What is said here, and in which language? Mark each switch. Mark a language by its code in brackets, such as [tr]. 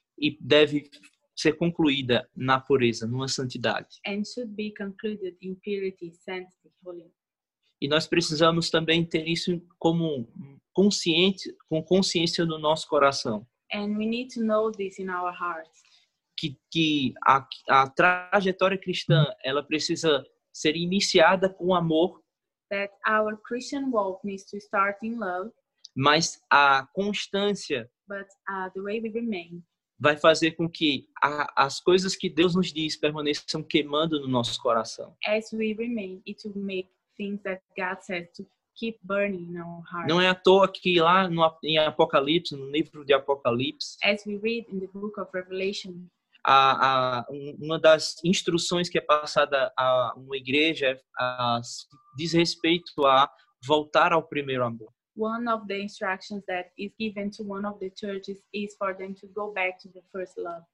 [pt] E deve ser concluída na pureza, numa santidade. [en] And should be concluded in purity, sanctity, holiness. [pt] E nós precisamos também ter isso como consciente, com consciência no nosso coração. [en] And we need to know this in our hearts. [pt] Que a trajetória cristã, ela precisa ser iniciada com amor [en] that our Christian walk needs to start in love. [pt] Mas a constância [en] the way we remain, [pt] vai fazer com que as coisas que Deus nos diz permaneçam queimando no nosso coração. [en] As we remain, it will make things that God says to keep burning in our heart. [pt] Não é à toa que lá em Apocalipse, no livro de Apocalipse, [en] as we read in the book of Revelation, [pt] uma das instruções que é passada a uma igreja diz respeito a voltar ao primeiro amor. [en] One of the instructions that is given to one of the churches is for them to go back to the first love.